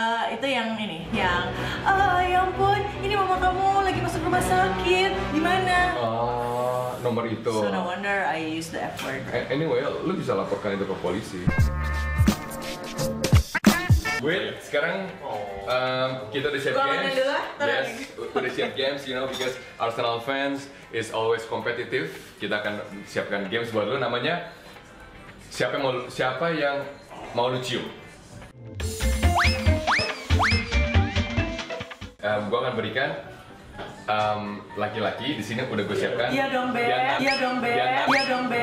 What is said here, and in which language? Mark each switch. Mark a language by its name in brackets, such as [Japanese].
[Indonesian] Itu yang ini, yang ya ampun, ini mama kamu lagi masuk rumah sakit, gimana? Nomor itu. [English] So no wonder I use the F word. [Indonesian] Anyway, lu bisa laporkan itu ke polisi. Wait, sekarang kita udah siap games. [English] Yes, [Indonesian] udah siap games, [English] you know, because Arsenal fans is always competitive. [Indonesian] Kita akan siapkan games buat lu namanya siapa yang mau lu cium. Gua akan berikan laki-laki di sini udah gue siapkan. Iya dong, Beb. Iya dong, Beb. Iya dong, Beb.